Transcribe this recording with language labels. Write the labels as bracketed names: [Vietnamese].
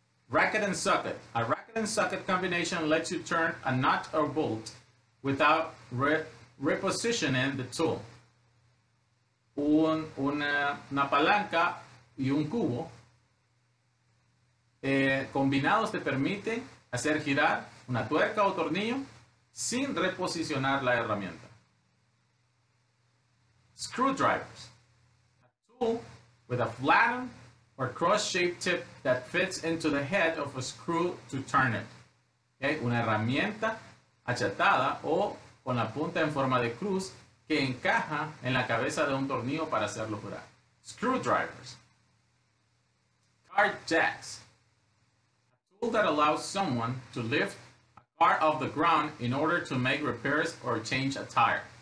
[English] Racket and socket. A racket and socket combination lets you turn a nut or bolt without repositioning the tool. [Spanish] Una palanca y un cubo combinados te permite hacer girar una tuerca o tornillo sin reposicionar la herramienta. [English] Screwdrivers, a tool with a flattened or cross-shaped tip that fits into the head of a screw to turn it. [Spanish] Una herramienta achatada o con la punta en forma de cruz que encaja en la cabeza de un tornillo para hacerlo girar. [English] Screwdrivers. Car jacks. A tool that allows someone to lift a car off the ground in order to make repairs or change a tire.